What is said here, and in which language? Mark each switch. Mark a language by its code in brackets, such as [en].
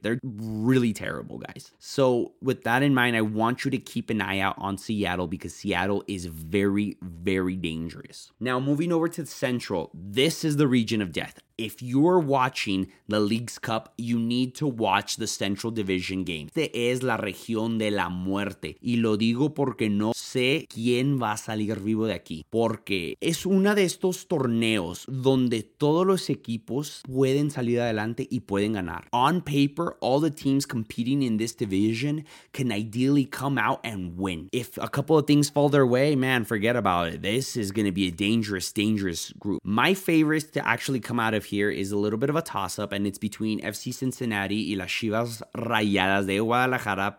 [en] They're really terrible, guys. So with that in mind, I want you to keep an eye out on Seattle because Seattle is very, very dangerous. Now, moving over to the Central, this is the region of death. If you're watching the League's Cup, you need to watch the Central Division game. [es] Este es la región de la muerte. Y lo digo porque no sé quién va a salir vivo de aquí. Porque es uno de estos torneos donde todos los equipos pueden salir adelante y pueden ganar. [en] On paper, all the teams competing in this division can ideally come out and win. If a couple of things fall their way, man, forget about it. This is going to be a dangerous, dangerous group. My favorites to actually come out of here is a little bit of a toss-up, and it's between FC Cincinnati [es] y las Chivas Rayadas de Guadalajara.